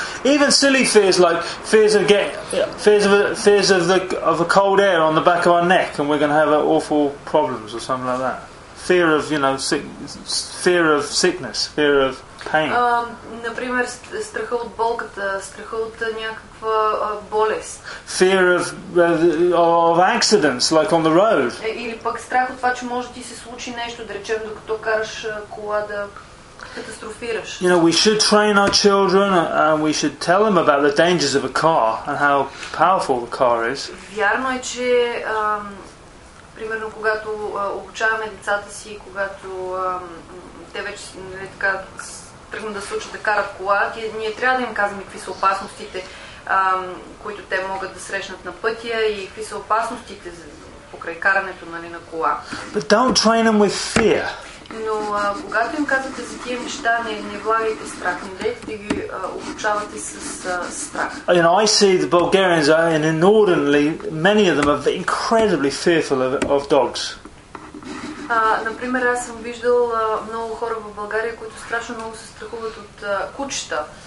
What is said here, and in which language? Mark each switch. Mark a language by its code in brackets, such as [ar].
[en] Even silly fears like fears of a cold air on the back of our neck and we're going to have awful problems or something like that. Fear of, you know, fear of sickness, fear of pain. [bg] Например, страха от болката, страха от някаква болест. [en] Fear of accidents, like on the road. [bg] Или пък страх от това, че може ти се случи нещо, да речем, докато караш кола да катастрофираш. [en] You know, we should train our children and we should tell them about the dangers of a car and how powerful the car is. [bg] Вярно е, че примерно, когато обучаваме децата си, когато те вече така тръгнат да се учат да карат кола, ние трябва да им казваме какви са опасностите, които те могат да срещнат на пътя и какви са опасностите покрай карането, нали, на кола. [en] But don't train them with fear. [bg] Но когато им казвате за тия неща, не влагайте страх, не дейте ги обучавате с страх. [en] You know, I see the Bulgarians are inordinately, many of them are incredibly fearful of dogs. [bg] Например, аз съм виждал много хора в България, които страшно много се страхуват от кучета.